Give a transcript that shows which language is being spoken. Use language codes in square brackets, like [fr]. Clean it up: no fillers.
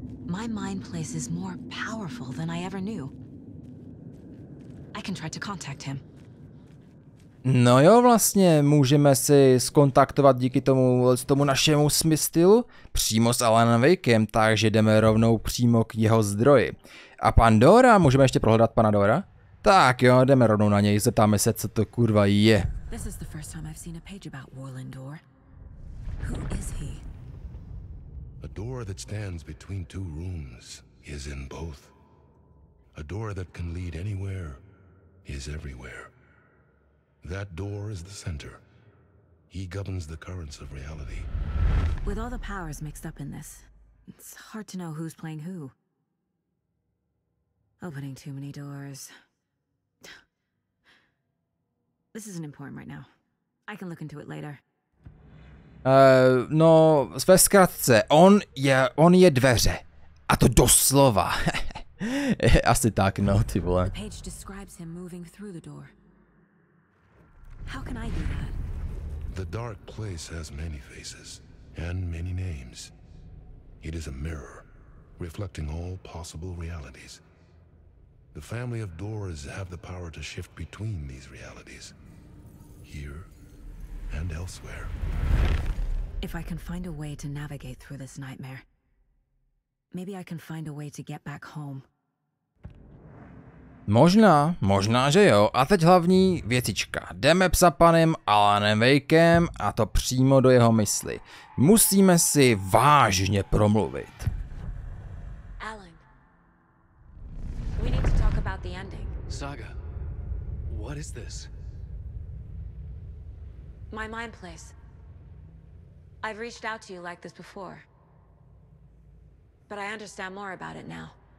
[en] My mind places more powerful than I ever knew. I can try to contact him. [cs] No jo, vlastně můžeme si skontaktovat díky tomu našemu smyslu přímo s Alanem Wakem, takže jdeme rovnou přímo k jeho zdroji. A pan Dora, můžeme ještě prohledat pana Dora? Tak jo, jdeme rovnou na něj, zeptáme se, co to kurva je. [en] This is the first time I've seen a page about Warland Dor. Who is he? A door that stands between two rooms is in both. A door that can lead anywhere is everywhere. That door is the center. He governs the currents of reality. With all the powers mixed up in this, it's hard to know who's playing who. Opening too many doors. This isn't important right now. I can look into it later. [cs] No, ve zkratce, on je dveře. A to doslova. Asi tak, no, ty vole. [en] The page describes him moving through the door. How can I do that? The dark place has many faces and many names. It is a mirror, reflecting all possible realities. The family of Doras have the power to shift between these realities, here and elsewhere. If I can find a way to navigate through this nightmare, maybe I can find a way to get back home. [cs] Možná, že jo. A teď hlavní věcička. Jdeme psa panem Alanem Wakem a to přímo do jeho mysli. Musíme si vážně promluvit. [en] Alan. We need to talk about the ending. Saga. What is this? My mind place. I've reached out to you like this before. But I understand more about it now.